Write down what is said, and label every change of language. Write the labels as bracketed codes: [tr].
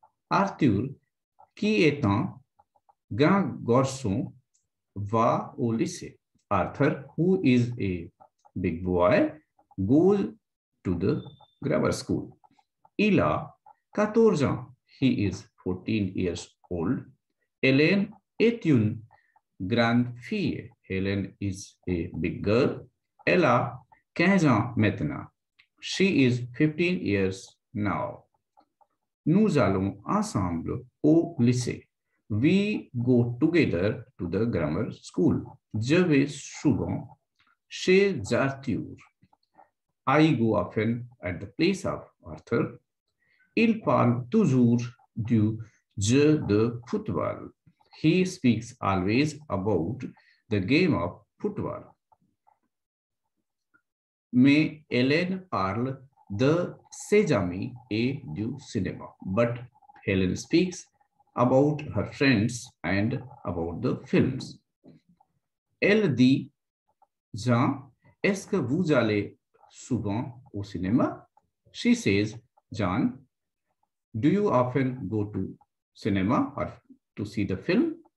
[fr] Arthur, qui est un grand garçon, va au lycée. [en] Arthur, who is a big boy, goes to the grammar school. [fr] Il a 14 ans, [en] he is 14 years old. [fr] Hélène est une grande fille. [en] Helen is a big girl. [fr] Elle a 15 ans maintenant. [en] She is 15 years now. [fr] Nous allons ensemble au lycée. [en] We go together to the grammar school. [fr] Je vais souvent chez Arthur. [en] I go often at the place of Arthur. [fr] Il parle toujours du jeu de football. [en] He speaks always about the game of football. [fr] Mais Hélène parle [en] The Sejami a du cinema. But Helen speaks about her friends and about the films. [fr] Elle dit, Jean, est-ce que vous allez souvent au cinéma? [en] She says, Jean, do you often go to cinema or to see the film?